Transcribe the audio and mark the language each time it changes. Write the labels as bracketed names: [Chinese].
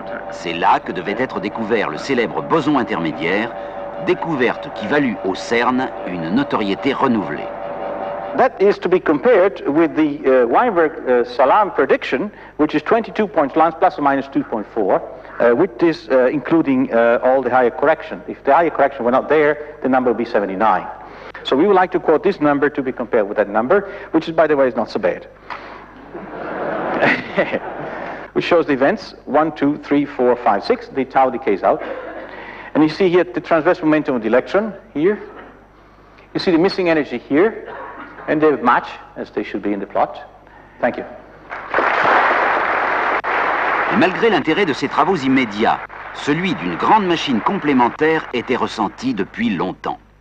[French] C'est là que devait être découvert le célèbre boson intermédiaire, découverte qui valut au CERN une notoriété renouvelée. [English] That is to be compared with the Weinberg-Salam prediction, which is 22 points plus or minus 2.4. Which is including all the higher correction. If the higher correction were not there, the number would be 79. So we would like to quote this number to be compared with that number, which is, by the way, is not so bad. Which shows the events, 1, 2, 3, 4, 5, 6, the tau decays out. And you see here the transverse momentum of the electron here. You see the missing energy here, and they match as they should be in the plot. Thank you. [French] Et malgré l'intérêt de ces travaux immédiats, celui d'une grande machine complémentaire était ressenti depuis longtemps.